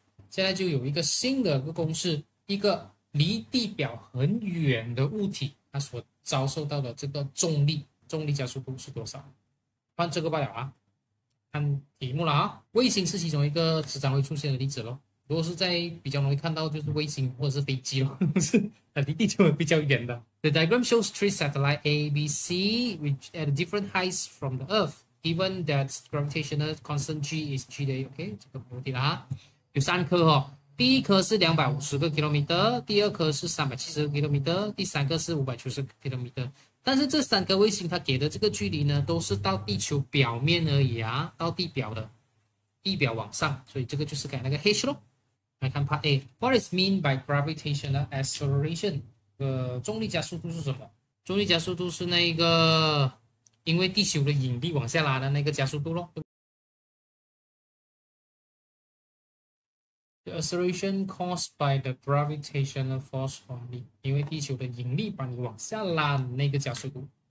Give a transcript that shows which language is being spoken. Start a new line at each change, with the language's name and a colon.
Chinese: 现在就有一个新的公式，一个离地表很远的物体它所遭受到的这个重力，重力加速度是多少，换这个罢了啊，看题目了啊。卫星是其中一个时常会出现的例子咯，如果是在比较容易看到就是卫星或者是飞机咯，是离地球比较远的。
English: The diagram shows three satellites A, B, C which at different heights from the Earth given that gravitational constant G is G day.
Chinese: OK， 这个问题啦，有三颗哦。第一颗是250个km， 第二颗是370个km， 第三颗是590个km。但是这三颗卫星它给的这个距离呢都是到地球表面而已啊，到地表的地表往上，所以这个就是改那个 h 咯。来看
English: part A， What is mean by gravitational acceleration？
Chinese: 重力加速度是什么？重力加速度是那个因为地球的引力往下拉的那个加速度咯。
English: The acceleration caused by the gravitational force on me，
Chinese: 因为地球的引力把你往下拉的那个加速度。